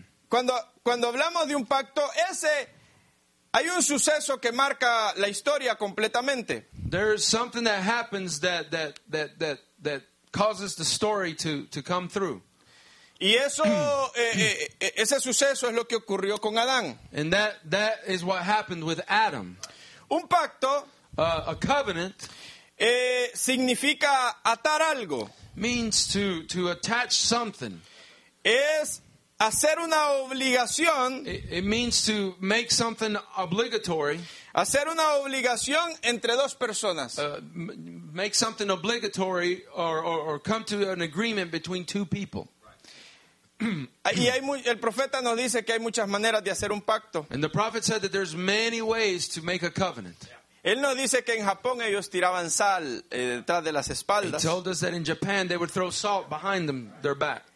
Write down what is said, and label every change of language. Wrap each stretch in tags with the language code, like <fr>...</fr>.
<es>Cuando hablamos de un pacto, ese hay un suceso que marca la historia completamente.</es> <en>There's something that happens that causes the story to come through.</en> <es>Y eso ese suceso es lo que ocurrió con Adán.</es> <en>And that is what happened with Adam.</en> <es>Un pacto,</es> <en>a covenant,</en> <es>significa atar algo.</es> <en>Means to attach something.</en> <es>Es hacer una obligación.</es> <en>It means to make something obligatory.</en> <es>Hacer una obligación entre dos personas.</es> <en>Make something obligatory or come to an agreement between two people.</en> <es>Y hay el profeta nos dice que hay muchas maneras de hacer un pacto.</es> <en>And the prophet said that there's many ways to make a covenant.</en> <es>Él nos dice que en Japón ellos tiraban sal detrás de las espaldas.</es> <en>He told us that in Japan they would throw salt behind them, their back.</en>